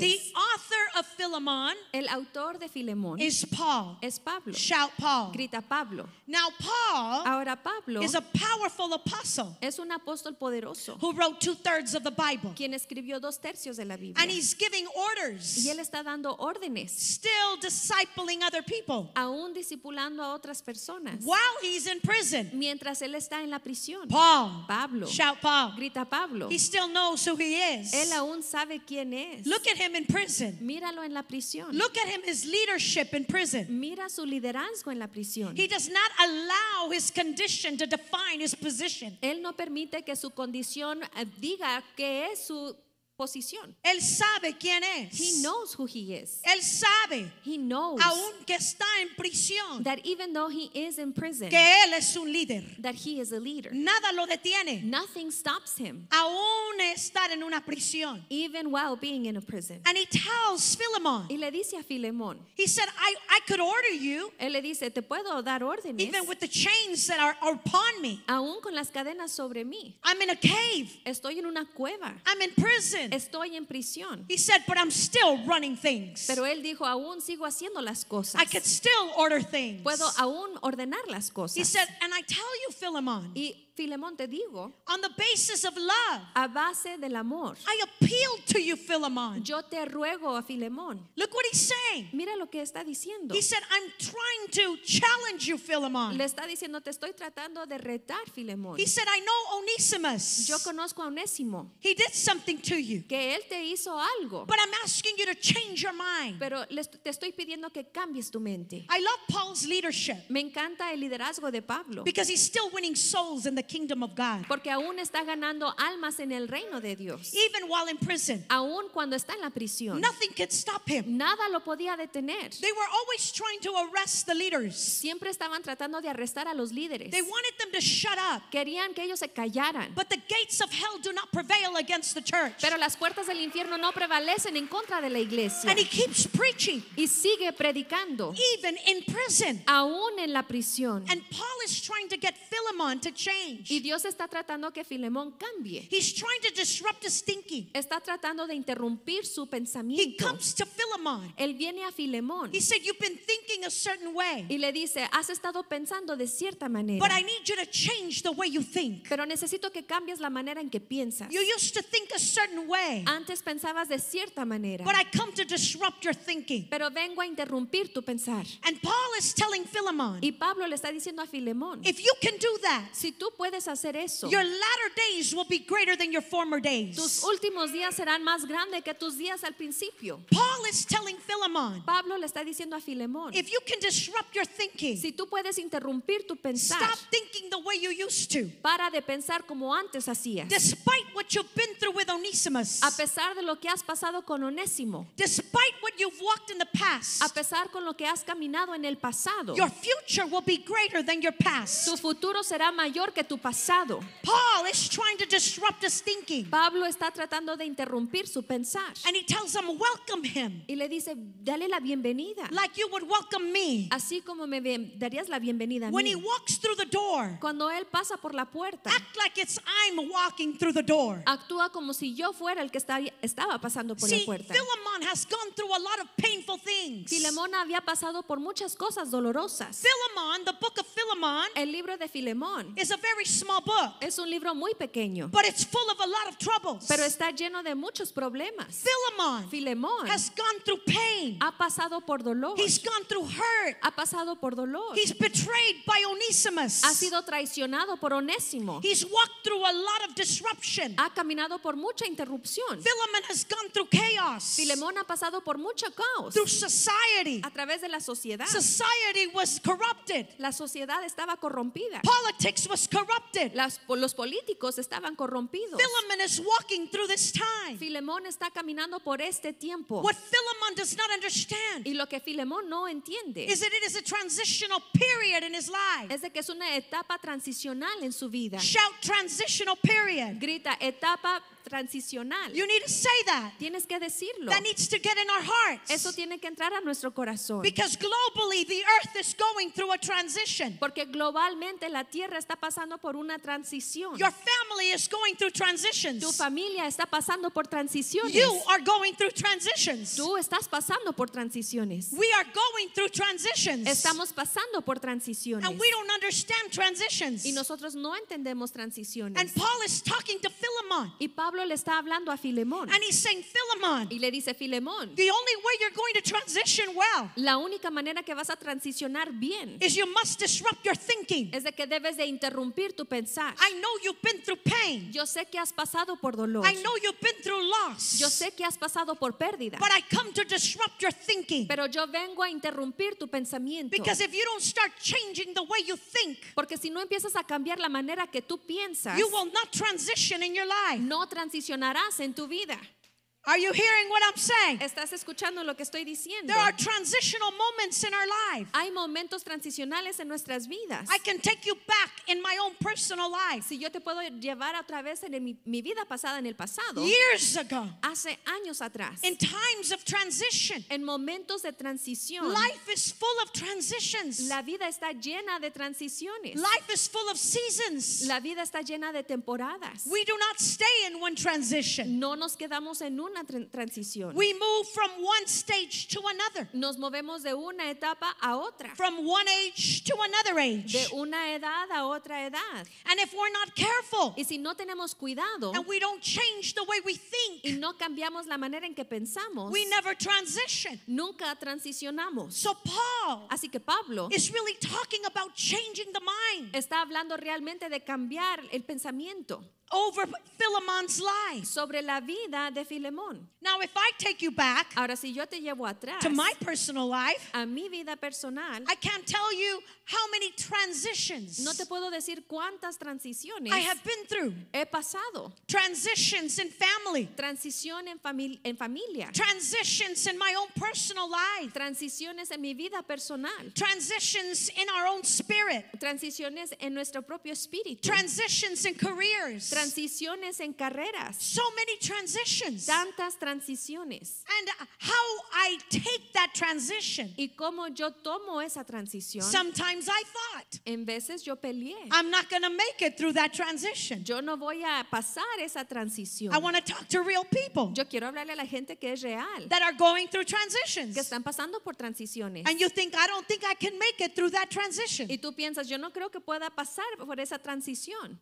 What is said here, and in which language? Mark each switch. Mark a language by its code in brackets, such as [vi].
[en] The author of Philemon, [es] el autor de Filemón, [en] is Paul. [es] Es Pablo. [en] Shout Paul. [es] Grita Pablo. [en] Now Paul, [es] ahora Pablo, [en] is a powerful apostle. [es] Es un apóstol poderoso. [en] Who wrote 2/3 of the Bible. [es] Quien escribió dos tercios de la Biblia. [en] And he's giving orders. [es] Y él está dando órdenes. [en] Still discipling other people. [es] Aún discipulando a otras personas. [en] While he's in prison. [es] Mientras él está en la prisión. [en] Paul. [es] Pablo. [en] Shout Paul. [es] Grita Pablo. [en] He still knows who he is. [es] Él aún sabe quién es. [en] Look at him in prison. [es] Míralo en la prisión. [en] Look at him, his leadership in prison. [es] Mira su liderazgo en la prisión. [en] He does not allow his condition to define his position. [es] Él no permite que su condición diga que es su posición. Él sabe quién es. [en] He knows who he is. [es] Él sabe. [en] He knows. [es] Aunque está en prisión. [en] That even though he is in prison. [es] Que él es un líder. [en] That he is a leader. [es] Nada lo detiene. [en] Nothing stops him. [es] Aún estar en una prisión. [en] Even while being in a prison. And he tells Philemon. [es] Y le dice a Filemón. [en] He said, I could order you. [es] Él le dice, te puedo dar órdenes. [en] Even with the chains that are upon me. [es] Aún con las cadenas sobre mí. [en] I'm in a cave. [es] Estoy en una cueva. [en] I'm in prison. [es] Estoy en prisión. [en] He said, but I'm still running things. [es] Pero él dijo, aún sigo haciendo las cosas. [en] I could still order things. [es] Puedo aún ordenar las cosas. [en] He said, and I tell you, Philemon. [es] Y Filemón, te digo, [en] on the basis of love, [es] a base del amor, [en] I appeal to you, Philemon. [es] Yo te ruego a Filemón. [en] Look what he's saying. [es] Mira lo que está diciendo. [en] He said, I'm trying to challenge you, Philemon. [es] Le está diciendo, te estoy tratando de retar, Filemón. [en] He said, I know Onesimus. [es] Yo conozco a Onésimo. [en] He did something to you. [es] Que él te hizo algo. [en] But I'm asking you to change your mind. [es] Pero te estoy pidiendo que cambies tu mente. [en] I love Paul's leadership. [es] Me encanta el liderazgo de Pablo. [en] Because he's still winning souls in the kingdom of God. [es] Porque aún está ganando almas en el reino de Dios. [en] Even while in prison. [es] Aún cuando está en la prisión. [en] Nothing could stop him. [es] Nada lo podía detener. [en] They were always trying to arrest the leaders. [es] Siempre estaban tratando de arrestar a los líderes. [en] They wanted them to shut up. [es] Querían que ellos se callaran. [en] But the gates of hell do not prevail against the church. [es] Pero las puertas del infierno no prevalecen en contra de la iglesia. [en] And he keeps preaching. [es] Y sigue predicando. [en] Even in prison. [es] Aún en la prisión. [en] And Paul is trying to get Philemon to change. [es] Y Dios está tratando que Filemón cambie. [en] He's trying to disrupt his thinking. [es] Está tratando de interrumpir su pensamiento. [en] He comes to Philemon. [es] Él viene a Filemón. [en] He said, you've been thinking a certain way. [es] Y le dice, has estado pensando de cierta manera. [en] But I need you to change the way you think. [es] Pero necesito que cambies la manera en que piensas. [en] You used to think a certain way. [es] Antes pensabas de cierta manera. [en] But I come to disrupt your thinking. [es] Pero vengo a interrumpir tu pensar. [en] And Paul is telling Philemon. [es] Y Pablo le está diciendo a Filemón. [en] If you can do that. [es] Si tú puedes hacer eso. [en] Your latter days will be greater than your former days. [es] Tus últimos días serán más grandes que tus días al principio. [en] Paul is telling Philemon. [es] Pablo le está diciendo a Filemón. [en] If you can disrupt your thinking. [es] Si tú puedes interrumpir tu pensar. [en] Stop thinking the way you used to. [es] Para de pensar como antes hacías. [en] Despite what you've been through with Onesimus. [es] A pesar de lo que has pasado con Onésimo. [en] Despite what you've walked in the past. [es] A pesar con lo que has caminado en el pasado. [en] Your future will be greater than your past. [es] Tu futuro será mayor que tu pasado. [en] Paul is trying to disrupt his thinking. [es] Pablo está tratando de interrumpir su pensar. [en] And he tells him, welcome him. [es] Y le dice, dale la bienvenida. [en] Like you would welcome me. [es] Así como me darías la bienvenida a mí. [en] When he walks through the door. [es] Cuando él pasa por la puerta. [en] Act like it's I'm walking through the door. [es] Actúa como si yo fuera el que estaba pasando por [en] See, [es] la puerta. [en] Philemon has gone through a lot of painful things. [es] Filemón había pasado por muchas cosas dolorosas. [en] Philemon, the book of Philemon. [es] El libro de Filemón. [en] Is a very small book. [es] Es un libro muy pequeño. [en] But it's full of a lot of troubles. [es] Pero está lleno de muchos problemas. [en] Filemón has gone through pain. [es] Ha pasado por dolor. [en] He's gone through hurt. [es] Ha pasado por dolor. [en] He's betrayed by Onesimus. [es] Ha sido traicionado por Onésimo. [en] He's walked through a lot of disruption. [es] Ha caminado por mucha interrupción. [en] Filemón has gone through chaos. [es] Filemón ha pasado por mucho caos. [en] Through society. [es] A través de la sociedad. [en] Society was corrupted. [es] La sociedad estaba corrompida. [en] Politics was corrupted. corrupted. [es] Los políticos estaban corrompidos. [en] Philemon is walking through this time. [es] Filemón está caminando por este tiempo. [en] What Philemon does not understand. [es] Y lo que Filemón no entiende. [en] Is that it is a transitional period in his life. [es] Es de que es una etapa transicional en su vida. [en] Shout transitional period. [es] Grita etapa transicional. [en] You need to say that. [es] Tienes que decirlo. [en] That needs to get in our hearts. [es] Eso tiene que entrar a nuestro corazón. [en] Because globally the earth is going through a transition. [es] Porque globalmente la tierra está pasando por una transición. [en] Your family is going through transitions. [es] Tu familia está pasando por transiciones. [en] You are going through transitions. [es] Tú estás pasando por transiciones. [en] We are going through transitions. [es] Estamos pasando por transiciones. [en] And we don't understand transitions. [es] Y nosotros no entendemos transiciones. [en] And Paul is talking to Philemon. [es] Pablo le está hablando a Filemón. [en] And he's saying, Philemon, [es] y le dice, Filemón, [en] the only way you're going to transition well, [es] la única manera que vas a transicionar bien, [en] is you must disrupt your thinking. [es] Es de que debes de interrumpir tu pensar. [en] I know you've been through pain. [es] Yo sé que has pasado por dolor. [en] I know you've been through loss. [es] Yo sé que has pasado por pérdida. [en] But I come to disrupt your thinking. [es] Pero yo vengo a interrumpir tu pensamiento. [en] Because if you don't start changing the way you think, [es] porque si no empiezas a cambiar la manera que tú piensas, [en] you will not transition in your life. [es] No transicionarás en tu vida. [en] Are you hearing what I'm saying? [es] ¿Estás escuchando lo que estoy diciendo? [en] There are transitional moments in our lives. [es] Hay momentos transicionales en nuestras vidas. [en] I can take you back in my own personal life. [es] Si yo te puedo llevar otra vez en mi vida pasada, en el pasado. [en] Years ago. [es] Hace años atrás. [en] In times of transition. [es] En momentos de transición. [en] Life is full of transitions. [es] La vida está llena de transiciones. [en] Life is full of seasons. [es] La vida está llena de temporadas. [en] We do not stay in one transition. [es] No nos quedamos en una transición. [en] We move from one stage to another. [es] Nos movemos de una etapa a otra. [en] From one age to another age. [es] De una edad a otra edad. [en] And if we're not careful, [es] y si no tenemos cuidado, [en] and we don't change the way we think, [es] y no cambiamos la manera en que pensamos, [en] we never transition. [es] Nunca transicionamos. [en] So Paul, [es] así que Pablo, [en] is really talking about changing the mind. [es] Está hablando realmente de cambiar el pensamiento. [en] Over Philemon's life. [es] Sobre la vida de Filemón. [en] Now, if I take you back, [es] ahora si yo te llevo atrás, [en] to my personal life, [es] a mi vida personal, [en] I can't tell you how many transitions, [es] no te puedo decir cuántas transiciones, [en] I have been through, [es] he pasado, [en] transitions in family, [es] transición en familia, [en] transitions in my own personal life, [es] transiciones en mi vida personal, [en] transitions in our own spirit, [es] transiciones en nuestro propio espíritu, [en] transitions in careers. [es] Transiciones en carreras. [en] So many transitions. [es] Tantas transiciones. [en] And how I take that transition. [es] Y cómo yo tomo esa transición. [en] Sometimes I thought. [es] En veces yo peleé. [en] I'm not going to make it through that transition. [es] Yo no voy a pasar esa transición. [en] I want to talk to real people. [es] Yo quiero hablarle a la gente que es real. [en] That are going through transitions. [es] Que están pasando por transiciones. [en] And you think, I don't think I can make it through that transition. [es] Y tú piensas, yo no creo que pueda pasar por esa transición.